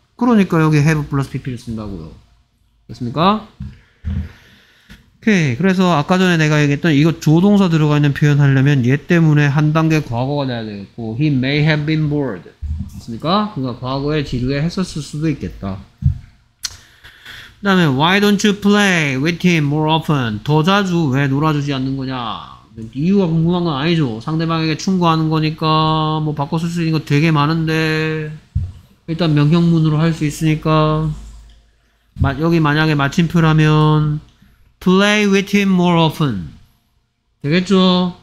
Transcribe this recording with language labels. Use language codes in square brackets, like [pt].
[ko] 그러니까 여기 have 플러스 pp를 쓴다고요. 됐습니까? 오케이. 그래서 아까 전에 내가 얘기했던 이거 조동사 들어가 있는 표현 하려면 얘 때문에 한 단계 과거가 돼야 되겠고 [en] he may have been bored. [ko] 됐습니까? 그러니까 과거에 지루해 했었을 수도 있겠다. 그 다음에 [en] why don't you play with him more often? [ko] 더 자주 왜 놀아주지 않는 거냐? 이유가 궁금한 건 아니죠. 상대방에게 충고하는 거니까 뭐 바꿔 쓸 수 있는 거 되게 많은데 일단 명령문으로 할 수 있으니까 여기 만약에 마침표라면 [en] play with him more often [ko] 되겠죠?